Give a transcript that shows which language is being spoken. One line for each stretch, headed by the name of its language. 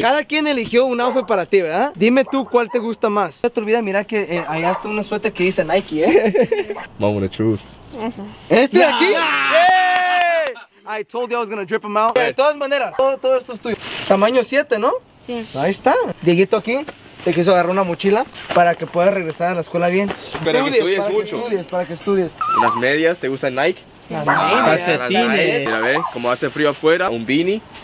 Spanish: Cada quien eligió un outfit para ti, ¿verdad? Dime tú cuál te gusta más. No te olvides mirar que allá está una suéter que dice Nike, ¿eh?
English: Moment of truth.
Spanish: ¿Este de aquí?
English: Yeah. I told you I was gonna drip him out.
Spanish: Pero de todas maneras, todo esto es tuyo. Tamaño 7, ¿no? Sí. Ahí está. Dieguito aquí te quiso agarrar una mochila para que puedas regresar a la escuela bien. Pero estudies, que estudies mucho. Para que estudies. ¿Las medias te gustan Nike? Las medias. Mira, ve, como hace frío afuera, un beanie.